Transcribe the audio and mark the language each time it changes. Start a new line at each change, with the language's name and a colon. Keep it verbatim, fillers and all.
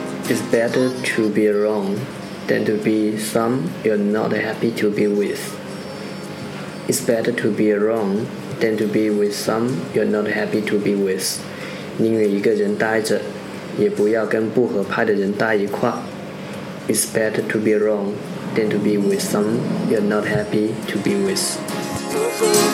English: It's better to be wrong than to be some you're not happy to be with. It's better to be wrong than to be with some you're not happy to be with.
Chinese: 宁愿一个人待着，也不要跟不合拍的人待一块。
English: It's better to be wrong than to be with some you're not happy to be with.